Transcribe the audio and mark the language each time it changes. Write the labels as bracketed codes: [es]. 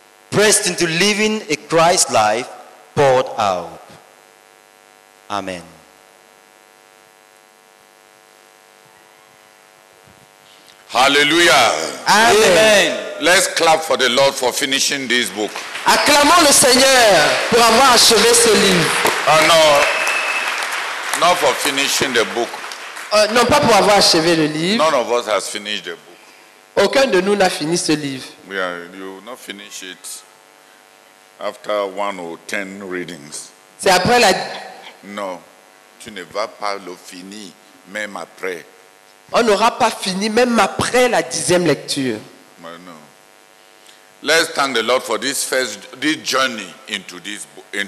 [en] Pressed into living a Christ life poured out. Amen. Hallelujah. Amen. Amen. Let's clap for the Lord for finishing this book. [fr] Acclamons le Seigneur pour avoir achevé ce livre. [en] Not for finishing the book. [fr] Non, pas pour avoir achevé le livre. [en] None of us has finished the book. [fr] Aucun de nous n'a fini ce livre. [en] Yeah, you will not finish it after 1 or 10 readings. [fr] C'est après la... Non, tu ne vas pas le finir même après. On n'aura pas fini même après la 10e lecture. Non. [en] Let's thank the Lord for this journey into this book.